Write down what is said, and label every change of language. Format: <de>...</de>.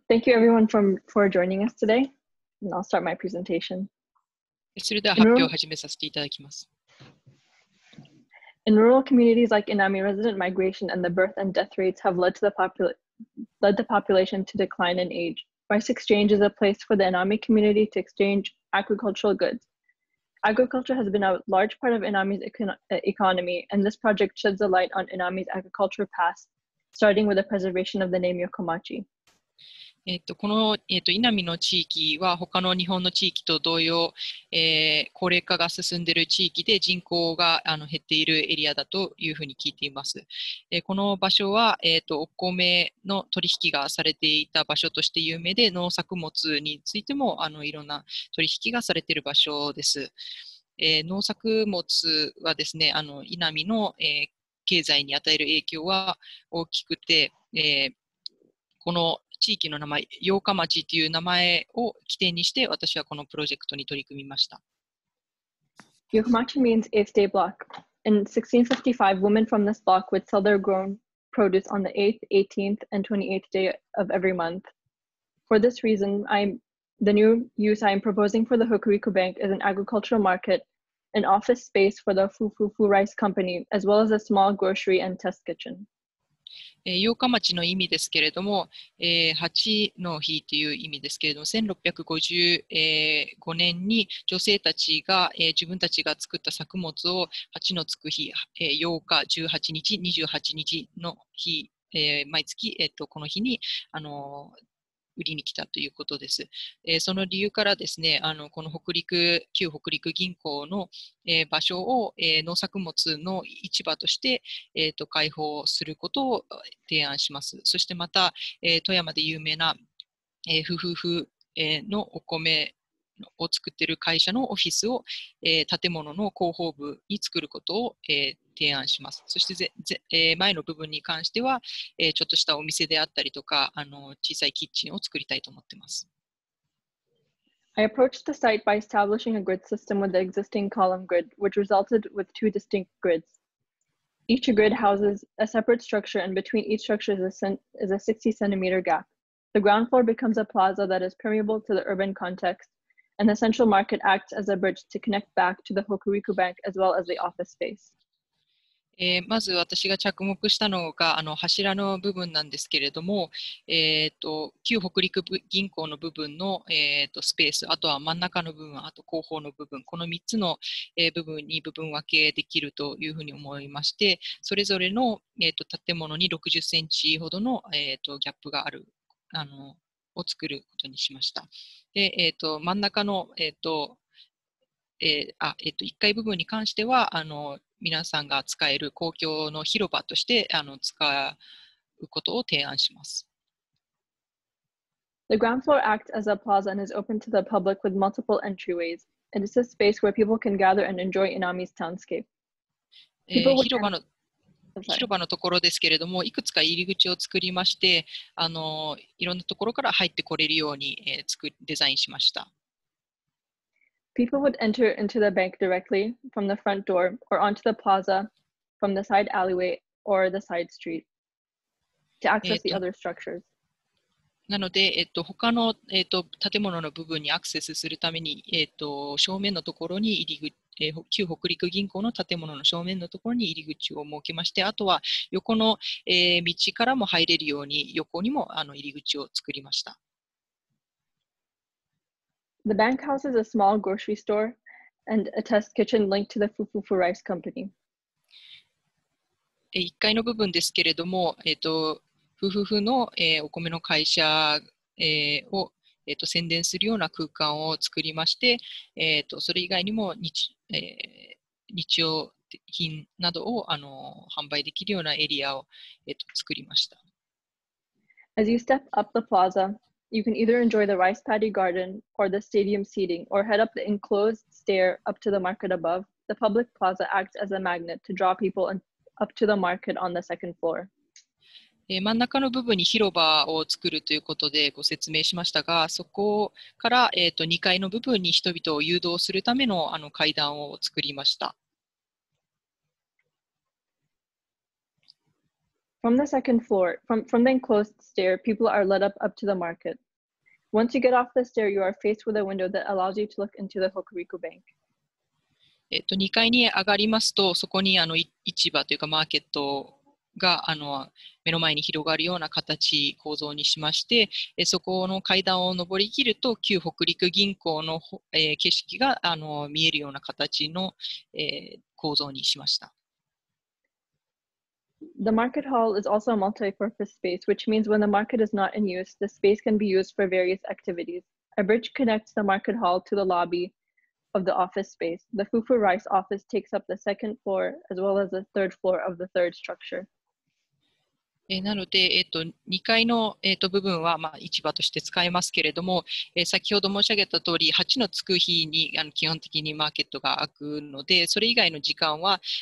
<en>Thank you everyone for joining us today, and I'll start my presentation.</en> <ja>それでは発表を始めさせていただきます。</ja> <en>In rural communities like Inami, resident migration and the birth and death rates have led the population to decline in age. Rice exchange is a place for the Inami community to exchange agricultural goods. Agriculture has been a large part of Inami's economy, and this project sheds a light on Inami's agricultural past, starting with the preservation of the name Yokomachi.</en> <ja>この、Inami の地域は他の日本の地域と同様、高齢化が進んでいる地域で人口が減っているエリアだというふうに聞いています。この場所は、お米の取引がされていた場所として有名で、農作物についてもいろんな取引がされている場所です。農作物はですね、Inami の、経済に与える影響は大きくて、この地域の名前、八日町という名前を起点にして、私はこのプロジェクトに取り組みました。</ja> <en>Yokomachi means eighth day block. In 1655, women from this block would sell their grown produce on the 8th, 18th, and 28th day of every month. For this reason, the new use I am proposing for the Hokuriku Bank is an agricultural market, an office space for the Fufufu Rice Company, as well as a small grocery and test kitchen.</en> <ja>八日町の意味ですけれども、8の日という意味ですけれども、1655年に女性たちが、自分たちが作った作物を8のつく日、8日、18日、28日の日、毎月、この日に売りに来たということです。その理由からですね、この旧北陸銀行の、場所を、農作物の市場として、開放することを提案します。そしてまた、富山で有名な、フフフ、のお米を作っている会社のオフィスを、建物の広報部に作ることを、提案します。そして前の部分に関しては、ちょっとしたお店であったりとか、小さいキッチンを作りたいと思ってます。</ja> <en>I approached the site by establishing a grid system with the existing column grid, which resulted with two distinct grids. Each grid houses a separate structure, and between each structure is a 60-centimeter gap. The ground floor becomes a plaza that is permeable to the urban context, and the central market acts as a bridge to connect back to the Hokuriku Bank as well as the office space.</en> <ja>まず私が着目したのが柱の部分なんですけれども、旧北陸銀行の部分の、スペース、あとは真ん中の部分、あと後方の部分、この3つの、部分に部分分けできるというふうに思いまして、それぞれの、建物に60センチほどの、ギャップがあるを作ることにしました。で、真ん中の、1階部分に関しては、皆さんが使える公共の広場として使うことを提案します。</ja> <en>The ground floor acts as a plaza and is open to the public with multiple entryways. It is a space where people can gather and enjoy Inami's townscape. People</en> <ja>広場の、広場のところですけれども、いくつか入り口を作りまして、いろんなところから入ってこれるように、デザインしました。</ja> <en>People would enter into the bank directly from the front door or onto the plaza from the side alleyway or the side street to access the other structures.</en> <ja>なので、他の、建物の部分にアクセスするために、正面のところに入り口、旧北陸銀行の建物の正面のところに入り口を設けまして、あとは横の、道からも入れるように、横にも入り口を作りました。</ja> <en>The bank house is a small grocery store and a test kitchen linked to the Fufufu Rice Company.</en> <ja>1階の部分ですけれども、夫婦の、お米の会社、を、宣伝するような空間を作りまして、それ以外にも 日用品などを販売できるようなエリアを、作りました。</ja> <en>As you step up the plaza, you can either enjoy the rice paddy garden or the stadium seating, or head up the enclosed stair up to the market above. The public plaza acts as a magnet to draw people up to the market on the second floor.</en> <ja>真ん中の部分に広場を作るということでご説明しましたが、そこから、2階の部分に人々を誘導するため の, 階段を作りました。</ja> <en>From the second floor, from the enclosed stair, people are led up to the market. Once you get off the stair, you are faced with a window that allows you to look into the Hokuriku Bank.</en> <ja>2階に上がりますと、そこに市場というかマーケットが目の前に広がるような形構造にしまして、そこの階段を上り切ると旧北陸銀行の、景色が見えるような形の、構造にしました。</ja> <en>The market hall is also a multi-purpose space, which means when the market is not in use, the space can be used for various activities. A bridge connects the market hall to the lobby of the office space. The Fufu Rice office takes up the second floor as well as the third floor of the third structure.</en> <ja>なので、2階の、部分は、まあ、市場として使えますけれども、先ほど申し上げた通り、8のつく日に基本的にマーケットが開くので、それ以外の時間は</ja>